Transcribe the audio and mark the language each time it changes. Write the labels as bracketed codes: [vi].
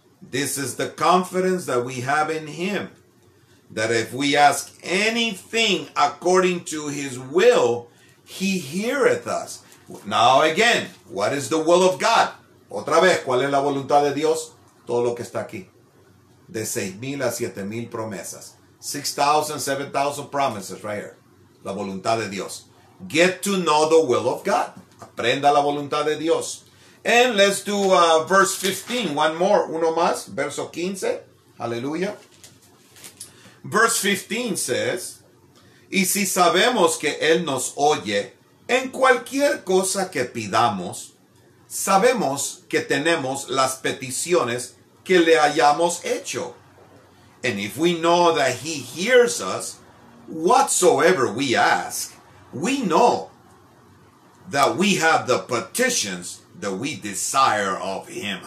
[en] This is the confidence that we have in Him, that if we ask anything according to His will, He heareth us. Now again, what is the will of God? [es] Otra vez, ¿cuál es la voluntad de Dios? Todo lo que está aquí. De 6,000 a 7,000 promesas. [en] 6,000, 7,000 promises right here. [es] La voluntad de Dios. [en] Get to know the will of God. [es] Aprenda la voluntad de Dios. [en] And let's do verse 15. One more. [es] Uno más. Verso 15. [en] Hallelujah. Verse 15 says, [es] y si sabemos que Él nos oye en cualquier cosa que pidamos, sabemos que tenemos las peticiones que le hayamos hecho. [en] And if we know that He hears us, whatsoever we ask, we know that we have the petitions that we desire of Him.